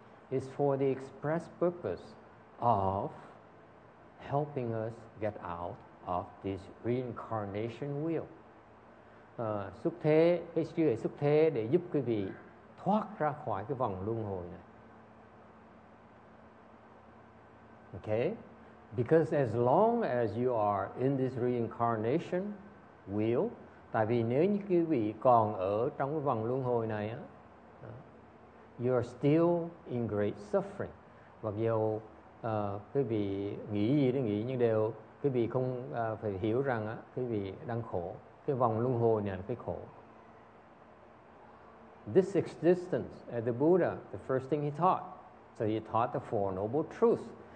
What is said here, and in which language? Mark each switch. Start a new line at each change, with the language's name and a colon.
English: It's for the express purpose of helping us get out of this reincarnation wheel.
Vietnamese: Xuất thế, cái trí huệ xuất thế để giúp quý vị thoát ra khỏi cái vòng luân hồi này.
English: Okay? Because as long as you are in this reincarnation wheel,
Vietnamese: tại vì nếu như quý vị còn ở trong cái vòng luân hồi này á,
English: you are still in great suffering.
Vietnamese: Mặc dù quý vị nghĩ gì đó nghĩ, nhưng đều quý vị không phải hiểu rằng á, quý vị đang khổ. Cái vòng luân hồi này là cái khổ.
English: This existence, as the Buddha, the first thing he taught, so he taught the Four Noble Truths.